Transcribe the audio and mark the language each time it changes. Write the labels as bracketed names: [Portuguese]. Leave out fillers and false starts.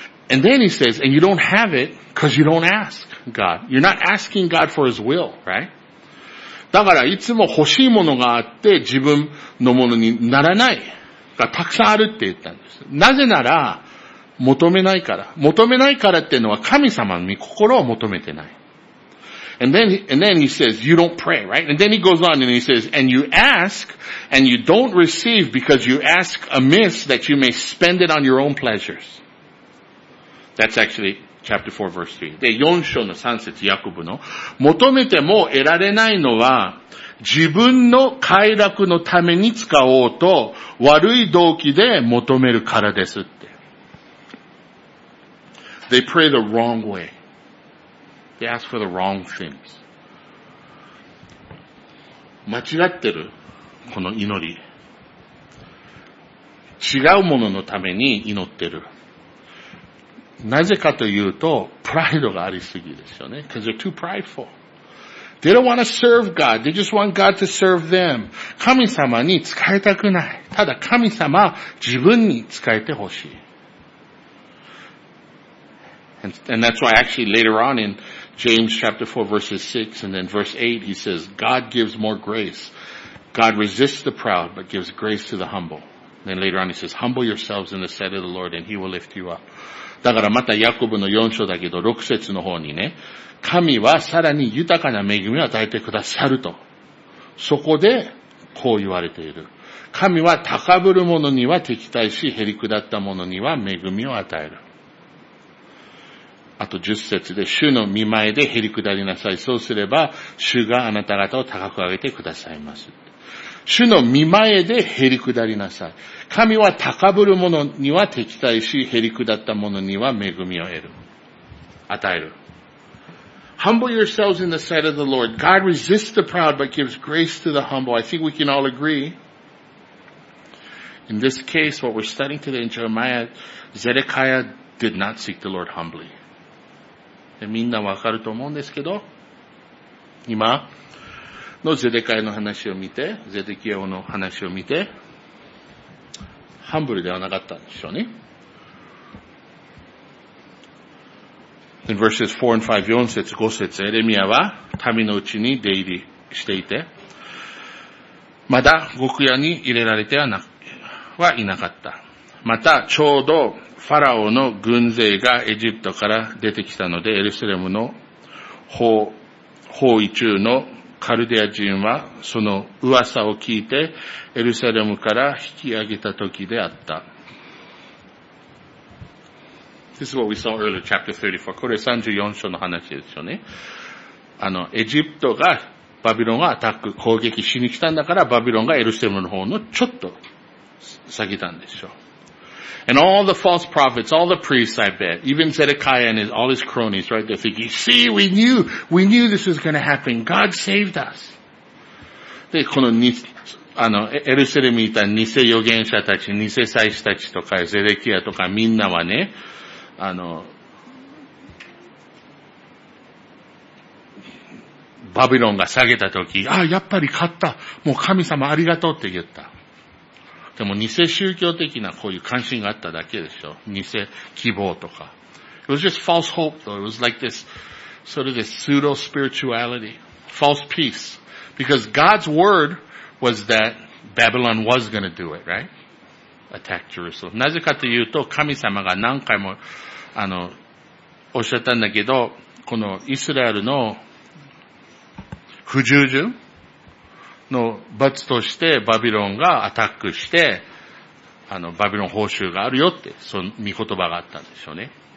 [English] And then he says, and you don't have it because you don't ask God. You're not asking God for his will, right? [Japanese] だからいつも欲しいものがあって自分のものにならないがたくさんあるって言ったんです。なぜなら求めないから。求めないからっていうのは神様の御心を求めてない。 [English] And then he says, you don't pray, right? And then he goes on and he says, and you ask and you don't receive because you ask amiss that you may spend it on your own pleasures. That's actually... Chapter 4, verse 3. [Japanese] で、4章の3節、ヤコブの。求めても得られないのは、自分の快楽のために使おうと、悪い動機で求めるからですって。 [English] They pray the wrong way. They ask for the wrong things. [Japanese] 間違ってる、この祈り。違うもののために祈ってる。なぜかというと、プライドがありすぎですよね。 [English] Because they're too prideful. They don't want to serve God. They just want God to serve them. [Japanese] 神様に使いたくない。ただ神様、自分に使えてほしい。 [English] And that's why actually later on in James chapter 4 verses 6 and then verse 8, he says, God gives more grace. God resists the proud, but gives grace to the humble. Then later on he says, humble yourselves in the sight of the Lord and he will lift you up. [Japanese] だからまたヤコブの4章だけど6節の方にね、神はさらに豊かな恵みを与えてくださると。そこでこう言われている。神は高ぶる者には敵対し、へり下った者には恵みを与える。あと10節で、主の御前でへり下りなさい。そうすれば、主があなた方を高く上げてくださいます。主の御前でへり下りなさい。神は高ぶる者には敵対し、へり下った者には恵みを得る。与える。 [English] Humble yourselves in the sight of the Lord. God resists the proud but gives grace to the humble. I think we can all agree. In this case, what we're studying today in Jeremiah, Zedekiah did not seek the Lord humbly. [Japanese] みんなわかると思うんですけど、今、のゼデカヤの話を見て、ゼデキヤの話を見て、ハンブルではなかったんでしょうね。 [English] In verses 4 and 5, [Japanese] 4節、5節、エレミアは民のうちに出入りしていて、まだ獄屋に入れられてはいなかった。また、ちょうどファラオの軍勢がエジプトから出てきたので、エルサレムの包囲中のカルデア人はその噂を聞いてエルサレムから引き上げた時であった。 [English] This is what we saw earlier, chapter 34. [Japanese] これ34章の話ですよね。エジプトがバビロンがアタック、攻撃しに来たんだからバビロンがエルサレムの方のちょっと下げたんでしょう。 [English] And all the false prophets, all the priests, I bet, even Zedekiah and all his cronies, right, they're thinking, see, we knew this was going to happen. God saved us. [Japanese] で、この、エルサレムにいた偽預言者たち、偽祭司たちとか、ゼデキヤとか、みんなはね、バビロンが下げたとき、ああ、やっぱり勝った。もう神様ありがとうって言った。でも偽宗教的なこういう関心があっただけでしょ。偽希望とか。 [English] It was just false hope though. It was like this, sort of this pseudo spirituality. False peace. Because God's word was that Babylon was going to do it, right? Attack Jerusalem. [Japanese] なぜかというと神様が何回もおっしゃったんだけど、このイスラエルの不従順の罰としてバビロンがアタックして、バビロン報酬があるよって、その御言葉があったんですよね。